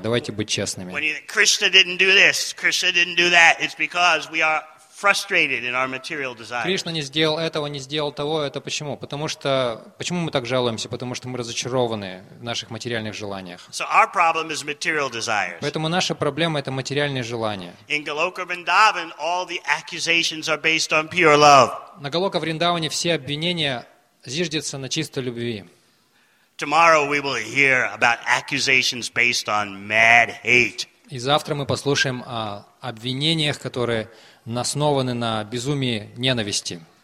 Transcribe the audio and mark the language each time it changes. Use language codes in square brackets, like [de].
[ru] Давайте быть честными. [en] When Krishna didn't do this, Krishna didn't do that, it's because we are frustrated in our material desires. [ru] Кришна не сделал этого, не сделал того, это почему? Почему мы так жалуемся? Потому что мы разочарованы в наших материальных желаниях. [en] So our problem is material desires. [ru] Поэтому наша проблема это материальные желания. [en] In Goloka Vrindavan all the accusations are based on pure love. [ru] На Голока Вриндаване все обвинения зиждятся на чистой любви. [en] Tomorrow we will hear about accusations based on mad hate. [ru] И завтра мы послушаем о обвинениях, которые основаны на безумии ненависти.